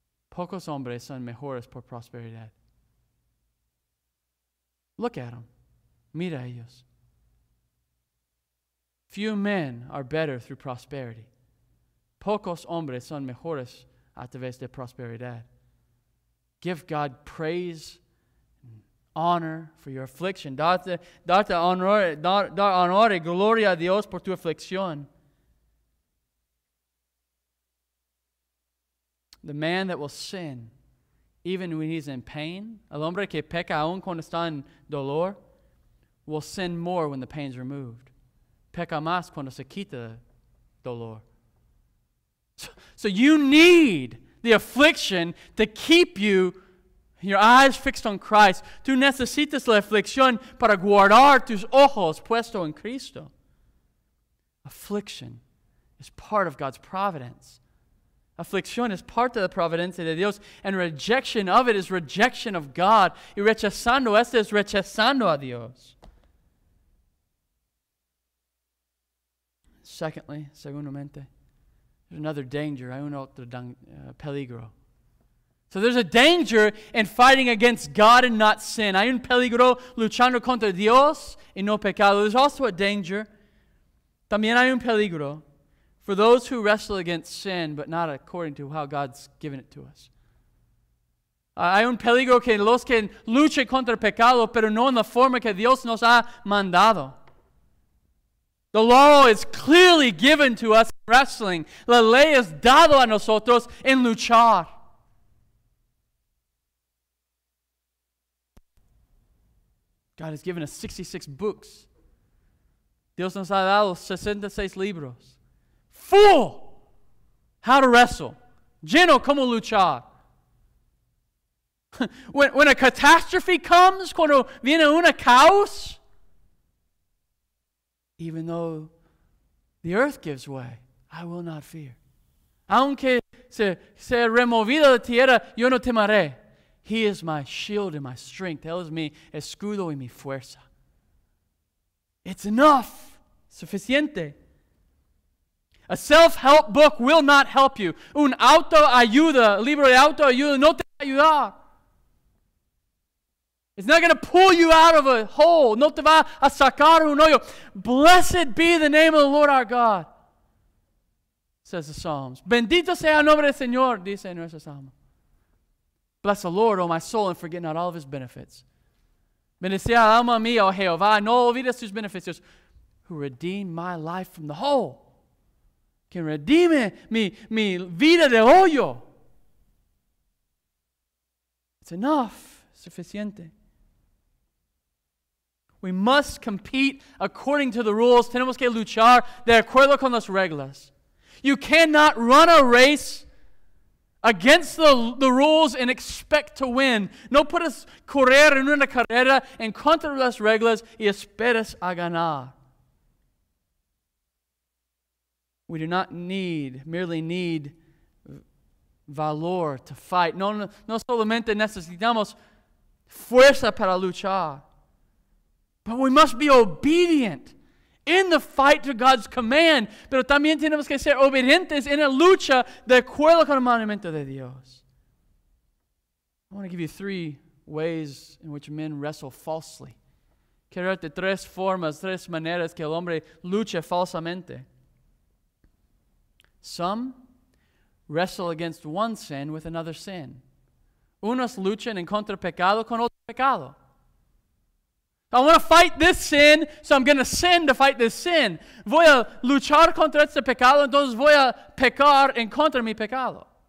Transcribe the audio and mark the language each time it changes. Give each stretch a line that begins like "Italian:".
Spanish: Pocos hombres son mejores por prosperidad.
English: Look at them.
Spanish: Mira ellos.
English: Few men are better through prosperity.
Spanish: Pocos hombres son mejores a través de prosperidad.
English: Give God praise and honor for your affliction.
Spanish: Darte honor y gloria a Dios por tu aflicción.
English: The man that will sin, even when he's in pain,
Spanish: el hombre que peca aún cuando está en dolor,
English: will sin more when the pain's removed.
Spanish: Peca más cuando se quita dolor.
English: So you need the affliction to keep you, your eyes fixed on Christ.
Spanish: Tú necesitas la aflicción para guardar tus ojos puestos en Cristo.
English: Affliction is part of God's providence.
Spanish: Aflicción es parte de la providencia de Dios,
English: and rejection of it is rejection of God.
Spanish: Y rechazando esto es rechazando a Dios.
English: Secondly,
Spanish: segundamente,
English: there's another danger,
Spanish: hay un otro peligro.
English: So there's a danger in fighting against God and not sin.
Spanish: Hay un peligro luchando contra Dios y no pecado.
English: There's also a danger,
Spanish: también hay un peligro,
English: for those who wrestle against sin, but not according to how God's given it to us.
Spanish: Hay un peligro que los que luchan contra el pecado, pero no en la forma que Dios nos ha mandado.
English: The law is clearly given to us in wrestling.
Spanish: La ley es dado a nosotros en luchar.
English: God has given us 66 books.
Spanish: Dios nos ha dado 66 libros.
English: Full! How to wrestle.
Spanish: Lleno, cómo luchar.
English: When a catastrophe comes,
Spanish: cuando viene una caos,
English: even though the earth gives way, I will not fear.
Spanish: Aunque se removida la tierra, yo no temeré.
English: He is my shield and my strength.
Spanish: Él es mi escudo y mi fuerza.
English: It's enough.
Spanish: Suficiente.
English: A self-help book will not help you.
Spanish: Un autoayuda, libro de autoayuda, no te va a ayudar.
English: It's not going to pull you out of a hole.
Spanish: No te va a sacar un hoyo.
English: Blessed be the name of the Lord our God, says the Psalms.
Spanish: Bendito sea el nombre del Señor, dice nuestro Salmo.
English: Bless the Lord, O my soul, and forget not all of his benefits.
Spanish: Bendecía alma mía, oh Jehová, no olvides sus beneficios,
English: who redeemed my life from the hole.
Spanish: Quien redime mi vida de hoyo.
English: It's enough.
Spanish: Suficiente.
English: We must compete according to the rules.
Spanish: Tenemos que luchar de acuerdo con las reglas.
English: You cannot run a race against the rules and expect to win.
Spanish: No puedes correr en una carrera en contra de las reglas y esperas a ganar.
English: We do not merely need valor to fight.
Spanish: No solamente necesitamos fuerza para luchar.
English: But we must be obedient in the fight to God's command.
Spanish: Pero también tenemos que ser obedientes en la lucha de acuerdo con el mandamiento de Dios.
English: I want to give you three ways in which men wrestle falsely.
Spanish: Quiero darte tres formas, tres maneras que el hombre lucha falsamente.
English: Some wrestle against one sin with another sin.
Spanish: Unos luchan en contra pecado con otro pecado.
English: I want to fight this sin, so I'm going to sin to fight this sin.
Spanish: Voy a luchar contra este pecado, entonces voy a pecar en contra de mi pecado.